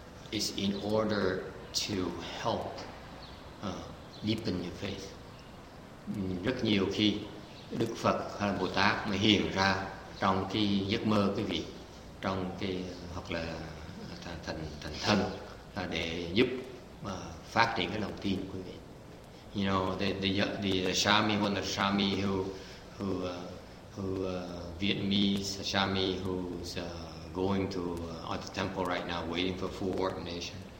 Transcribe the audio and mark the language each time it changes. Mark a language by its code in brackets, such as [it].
[en] It's in order to help deepen your faith. [vi] Rất nhiều khi Đức Phật hay là Bồ Tát mà hiện ra trong cái giấc mơ quý vị, trong cái hoặc là thành thân là để giúp mà phát triển cái lòng tin của mình. [en] You know, the Shami, one of the Shami who Vietnamese Shami who's going to at the temple right now, waiting for full ordination.